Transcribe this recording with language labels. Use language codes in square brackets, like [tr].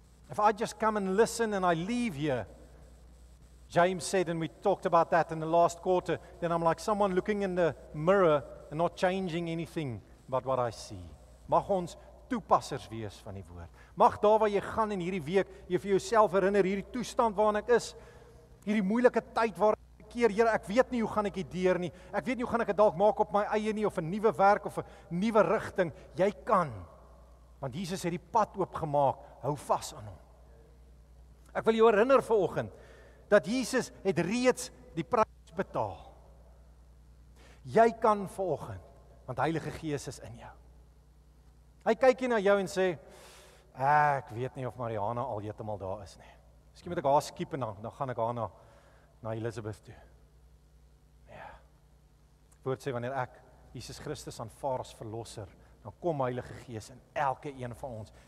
[en] If I just come and listen and I leave here, James said, and we talked about that in the last quarter, then I'm like someone looking in the mirror and not changing anything but what I see. [af] Mag ons toepassers wees van die woord. Mag daar waar jy gaan in hierdie week, jy vir jouself herinner, hierdie toestand waarin ek is, hierdie moeilike tyd waar Here, ek weet nie hoe gaan ek dit deur nie. Ek weet nie hoe gaan ek dit dalk maak op my eie nie of 'n nuwe werk of 'n nuwe rigting. Jy kan. Want Jesus het die pad oopgemaak. Hou vas aan hom. Ek wil jou herinner vanoggend dat Jesus het reeds die prys betaal. Jy kan vanoggend, want Heilige Gees is in jou. Hy kyk hier na jou en sê, ek weet nie of Mariana al heeltemal daar is nie. Miskien moet ek haar skiep en dan gaan ek haar na Elisabeth toe. Ja. Woord sê, wanneer ek Jesus Christus aanvaar as verlosser, dan kom Heilige Gees in elke een van ons.